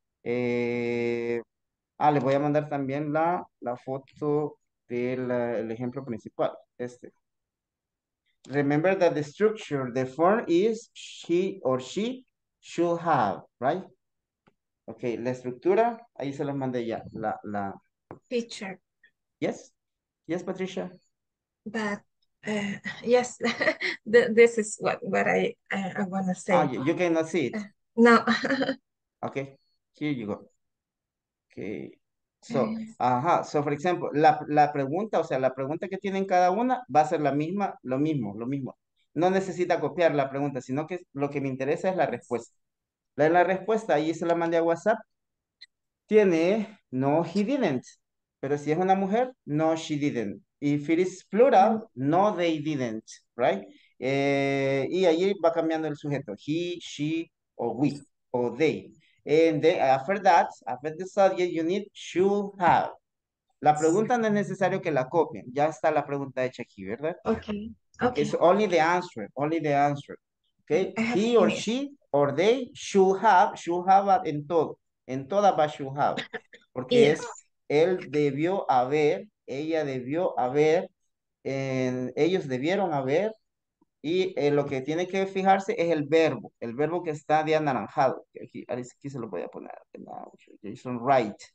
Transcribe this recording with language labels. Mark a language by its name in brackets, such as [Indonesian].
[Spanish] Le voy a mandar también la foto del ejemplo principal. Este. [English] remember that the structure, the form is she or she should have, right? [Spanish] Okay, la estructura, ahí se los mandé ya, la... [English] Teacher. Yes, yes, Patricia. But, yes, this is what I want to say. Oh, you cannot see it? No. Okay, here you go. [Spanish] Okay, so, ajá, [English] so for example, [Spanish] la pregunta, o sea, la pregunta que tienen cada una va a ser la misma, lo mismo. No necesita copiar la pregunta, sino que lo que me interesa es la respuesta. La respuesta, ahí se la mandé a WhatsApp, tiene, [English] no, he didn't. [Spanish] Pero si es una mujer, [English] no, she didn't. If it is plural, no, they didn't, right? [Spanish] Y ahí va cambiando el sujeto, he, she, o we, o they. [English] And then after the subject, you need should have. [Spanish] La pregunta no es necesario que la copien. Ya está la pregunta hecha aquí, ¿verdad? [English] Okay. It's only the answer. Okay. He or she or they should have [Spanish] en toda va [English] should have. [Spanish] Porque es él debió haber, ella debió haber, ellos debieron haber. Y lo que tiene que fijarse es el verbo que está de anaranjado. Aquí se lo voy a poner. Jason Wright.